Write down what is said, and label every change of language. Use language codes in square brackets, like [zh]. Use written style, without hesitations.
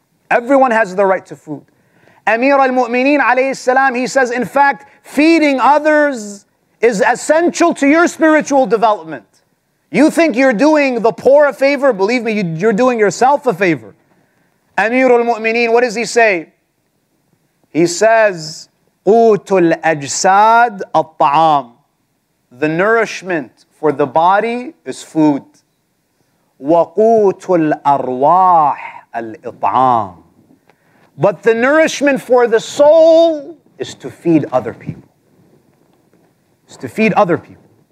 [en] Everyone has the right to food. Amir al-Mu'mineen alayhi salam, he says, in fact, feeding others is essential to your spiritual development. You think you're doing the poor a favor? Believe me, you're doing yourself a favor. Amir al-Mu'mineen, what does he say? He says, [ar] قوت الأجساد الطعام. [en] The nourishment for the body is food. [ar] وقوت الأرواح الإطعام. [en] But the nourishment for the soul is to feed other people. It's to feed other people.